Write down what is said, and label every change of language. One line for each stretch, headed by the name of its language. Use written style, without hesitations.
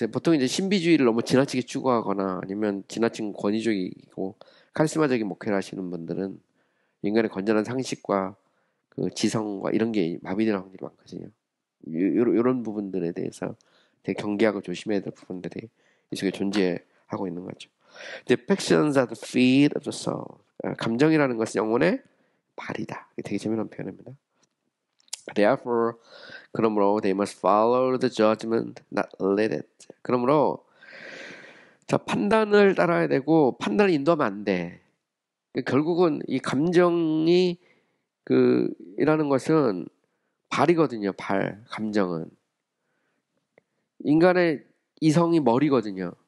Korean: 그래서 보통 이제 신비주의를 너무 지나치게 추구하거나 아니면 지나친 권위주의이고 카리스마적인 목회를 하시는 분들은 인간의 건전한 상식과 그 지성과 이런 게 마비될 확률이 많거든요. 이런 부분들에 대해서 되게 경계하고 조심해야 될 부분들이 이 속에 존재하고 있는 거죠.
English: The passions are the feet of the soul.
Korean: 감정이라는 것은 영혼의 발이다. 되게 재미난 표현입니다.
English: Therefore,
Korean: 그러므로
English: they must follow the judgment, not let it.
Korean: 그러므로 자 판단을 따라야 되고 판단을 인도하면 안 돼. 결국은 이 감정이 이라는 것은 발이거든요. 발 감정은 인간의 이성이 머리거든요.